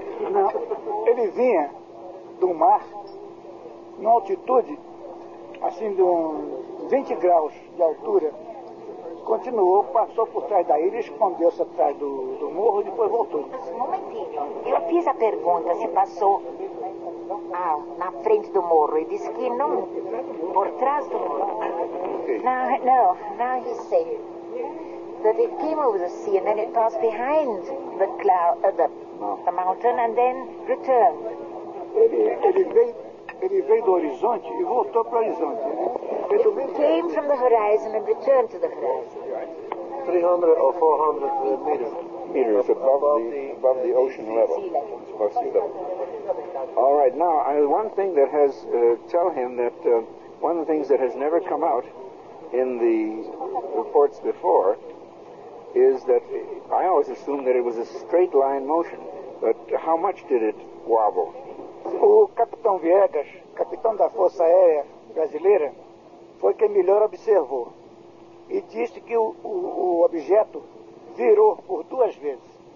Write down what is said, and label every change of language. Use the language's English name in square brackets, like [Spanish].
[Portuguese] Não, ele vinha do mar numa altitude assim de uns 20 graus de altura, continuou, passou por trás da ilha, escondeu-se atrás do morro e depois voltou. Mas um momentinho, eu fiz a pergunta se passou na frente do morro e disse que não, por trás do morro. [English] Now he said that it came over the sea and then it passed behind the cloud, the mountain and then returned. [Portuguese] Ele veio do horizonte e voltou para o horizonte. [English] It came from the horizon and returned to the horizon. 300 or 400 meters above the ocean level. Sea level. All right, now, one thing that has, tell him that one of the things that has never come out in the reports before is that I always assumed that it was a straight line motion, but how much did it wobble? [Portuguese] O Capitão Viegas, capitão da Força Aérea Brasileira, foi quem melhor observou e disse que o objeto virou por duas vezes.